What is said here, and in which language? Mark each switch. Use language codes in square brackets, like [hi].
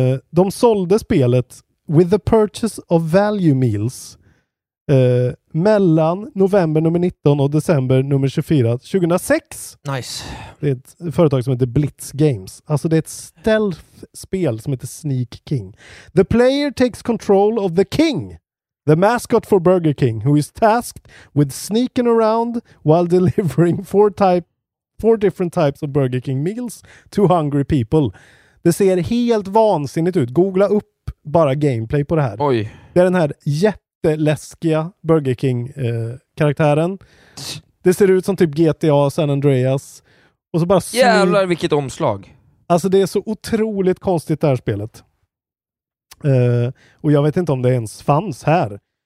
[sv] De sålde spelet [en] with the purchase of value meals [sv] mellan november nummer 19 och december nummer 24 2006. [en] Nice. [sv] Det är ett företag som heter Blitz Games. Alltså det är ett stealth spel som heter Sneak King. [en] The player takes control of the king, the mascot for Burger King, who is tasked with sneaking around while delivering four different types of Burger King meals to hungry people. [sv] Det ser helt vansinnigt ut. Googla upp bara gameplay på det här. Oj. Det är den här jätteläskiga Burger King karaktären. Det ser ut som typ GTA San Andreas. Och så bara jävlar vilket omslag. Alltså det är så otroligt konstigt det här spelet. Och jag vet inte om det ens fanns här.